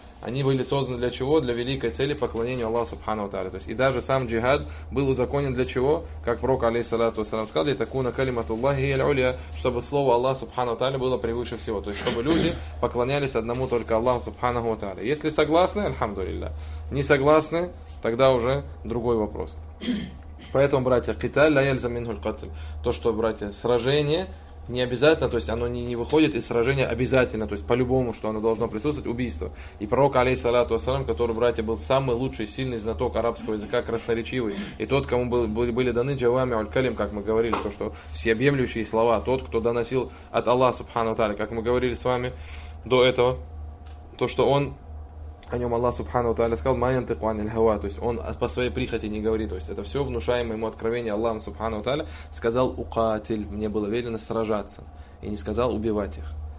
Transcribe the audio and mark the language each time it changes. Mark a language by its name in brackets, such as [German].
[Russian] Они были созданы для чего? Для великой цели поклонения Аллаху субхана ва тааля. То есть и даже сам джихад был узаконен для чего? Как пророк алейхиссалату вассалям сказал: [Arabic] «Литакуна калиматуллахи аль-уля», [Russian] чтобы слово Аллаха субхана ва тааля было превыше всего. То есть чтобы люди поклонялись одному только Аллаху субхана ва тааля. Если согласны, альхамдулилля. Не согласны, тогда уже другой вопрос. Поэтому, братья, [Arabic] قتال لا يلزم منه القتل. [Russian] То, что, братья, сражение не обязательно, то есть оно не выходит из сражения обязательно, то есть по-любому, что оно должно присутствовать, убийство. И пророк, алейхиссалату ассалям, который, братья, был самый лучший, сильный знаток арабского языка, красноречивый, и тот, кому были даны джавами аль-калим, как мы говорили, то, что всеобъемлющие слова, тот, кто доносил от Аллаха, субхану тааля, как мы говорили с вами до этого, то, что он, о нем Аллах, субхану тааля, сказал, [Arabic] «Ма янтыку ан аль-хава», [Russian] то есть он по своей прихоти не говорит, то есть это все внушаемое ему откровение Аллахом, субхану тааля, сказал «укатиль», мне было велено сражаться, и не сказал убивать их.